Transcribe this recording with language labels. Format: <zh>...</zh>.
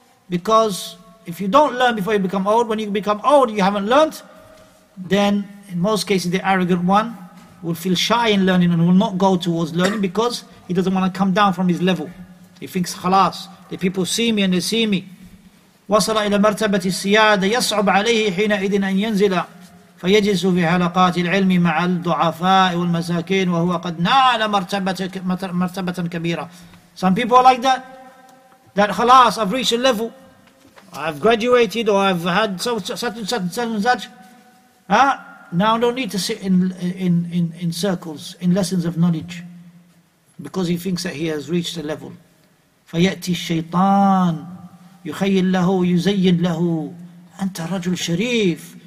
<en>Because if you don't learn before you become old, when you become old you haven't learned, then in most cases the arrogant one will feel shy in learning and will not go towards learning, because he doesn't want to come down from his level. He thinks, خلاص, the people see me and they see me.</en> <ar>وصل إلى مرتبة السيادة يصعب عليه حينئذ أن ينزل فيجلس في حلقات العلم مع الضعفاء والمساكين وهو قد نال مرتبة كبيرة.</ar> <en>Some people are like that. That خلاص, I've reached a level. I've graduated, or I've had such and such. Now I don't need to sit in circles, in lessons of knowledge, because he thinks that he has reached a level.</en> <ar>فيأتي الشيطان يخيل له يزين له أنت رجل شريف.</ar>